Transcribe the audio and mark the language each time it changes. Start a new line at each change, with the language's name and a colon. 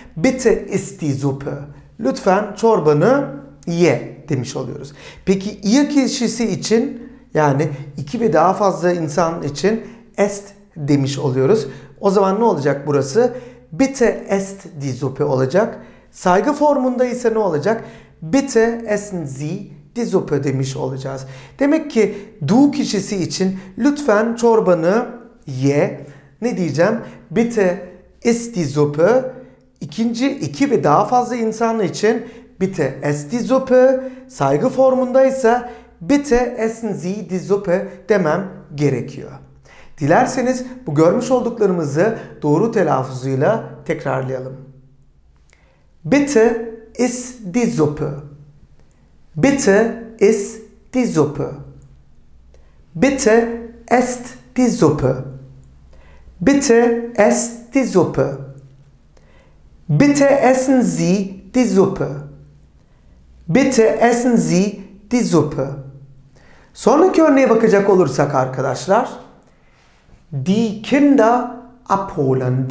German: Bitte iss die Suppe.
Turkish: Lütfen çorbanı ye demiş oluyoruz. Peki ihr kişisi için yani iki ve daha fazla insan için est demiş oluyoruz. O zaman ne olacak burası?
German: Bitte est die Suppe
Turkish: olacak. Saygı formunda ise ne olacak?
German: Bitte essen Sie die Suppe
Turkish: demiş olacağız. Demek ki du kişisi için lütfen çorbanı ye. Ne diyeceğim?
German: Bitte iss die Suppe.
Turkish: İkinci iki ve daha fazla insan için
German: bitte ess die Suppe.
Turkish: Saygı formunda ise
German: bitte essen Sie die Suppe
Turkish: demem gerekiyor. Dilerseniz bu görmüş olduklarımızı doğru telaffuzuyla tekrarlayalım.
German: Bitte iss die Suppe. Bitte iss die Suppe. Bitte esst die Suppe. Bitte esst die Suppe. Bitte essen Sie die Suppe. Bitte essen Sie die Suppe.
Turkish: Sonraki örneğe bakacak olursak arkadaşlar.
German: Die Kinder abholen.